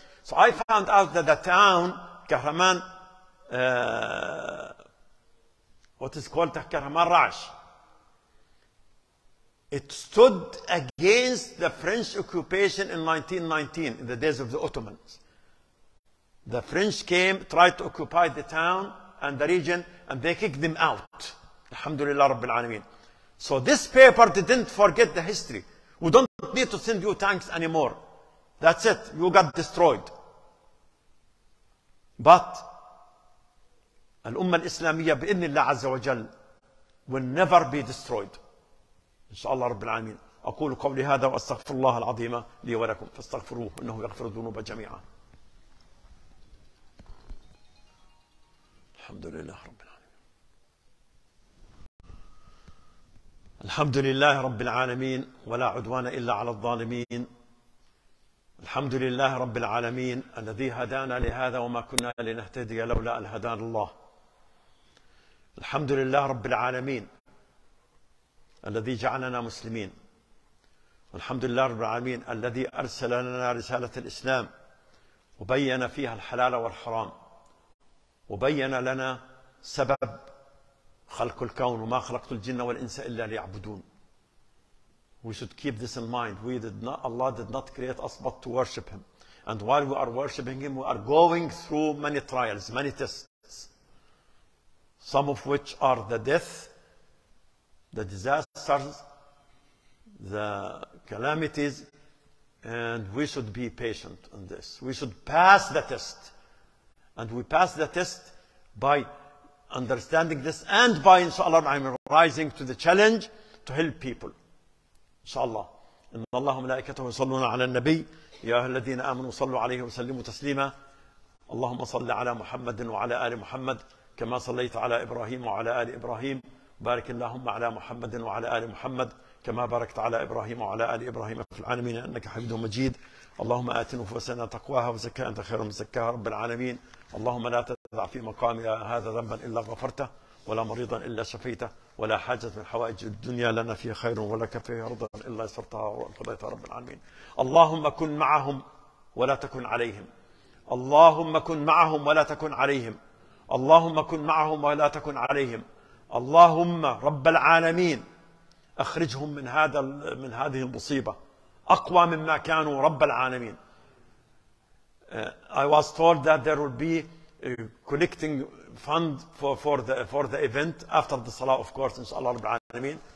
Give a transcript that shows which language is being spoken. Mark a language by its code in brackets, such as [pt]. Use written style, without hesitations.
[en] So I found out that the town, Kahraman, what is called Kahraman Raj, it stood against the French occupation in 1919, in the days of the Ottomans. The French came, tried to occupy the town and the region, and they kicked them out. [ar] Alhamdulillah, Rabbil Alameen. [en] So this paper didn't forget the history. We don't need to send you tanks anymore. That's it. You got destroyed. But [ar] الأمة الإسلامية بإذن الله عز وجل [en] will never be destroyed. [ar] إن شاء الله رب العالمين. أقول قولي هذا وأستغفر الله العظيم لي ولكم. فاستغفروه إنه يغفر الذنوب جميعا. الحمد لله رب العالمين. الحمد لله رب العالمين ولا عدوان إلا على الظالمين. الحمد لله رب العالمين الذي هدانا لهذا وما كنا لنهتدي لولا أن هدانا الله. الحمد لله رب العالمين الذي جعلنا مسلمين. والحمد لله رب العالمين الذي أرسل لنا رسالة الإسلام وبين فيها الحلال والحرام وبين لنا سبب خلق الكون وما خلقت الجن والإنس إلا ليعبدون. [en] We should keep this in mind. We did not, Allah did not create us but to worship Him. And while we are worshiping Him, we are going through many trials, many tests. Some of which are the death, the disasters, the calamities. And we should be patient on this. We should pass the test. And we pass the test by understanding this and by, inshallah, I'm rising to the challenge to help people. [ar] إن شاء الله. إن الله وملائكته يصلون على النبي يا أهل الذين آمنوا صلوا عليه وسلموا تسليما. اللهم صل على محمد وعلى آل محمد كما صليت على إبراهيم وعلى آل إبراهيم. بارك اللهم على محمد وعلى آل محمد كما باركت على إبراهيم وعلى آل إبراهيم في العالمين إنك حميد مجيد. اللهم آت نفوسنا تقواها وزكاها أنت خير من زكاها رب العالمين. اللهم لا تدع في مقامي هذا ذنبا إلا غفرته ولا مريضا إلا شفيته ولا حاجة من حوائج الدنيا لنا فيها خير ولك فيها رضا إلا يسرتها وانقضيتها رب العالمين. اللهم كن معهم ولا تكن عليهم. اللهم كن معهم ولا تكن عليهم. اللهم كن معهم ولا تكن عليهم. اللهم رب العالمين أخرجهم من هذا من هذه المصيبة أقوى مما كانوا رب العالمين. [en] I was told that there will be collecting fund for the event after the salah, of course, [ar] inshallah rabbil alameen.